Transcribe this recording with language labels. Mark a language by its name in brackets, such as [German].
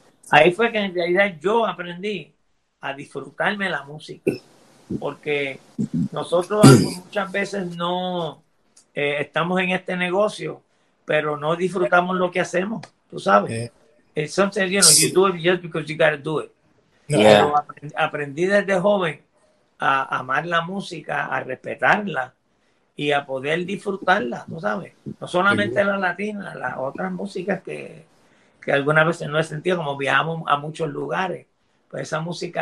[Spanish] Ahí fue que en realidad yo aprendí a disfrutarme la música, porque nosotros muchas veces no estamos en este negocio, pero no disfrutamos lo que hacemos, tú sabes. [English] Entonces, you know, you do it just because you gotta do it. [Spanish] Pero aprendí desde joven a amar la música, a respetarla y a poder disfrutarla, ¿no sabes? No solamente la latina, las otras músicas que algunas veces no he sentido, como viajamos a muchos lugares, pues esa música,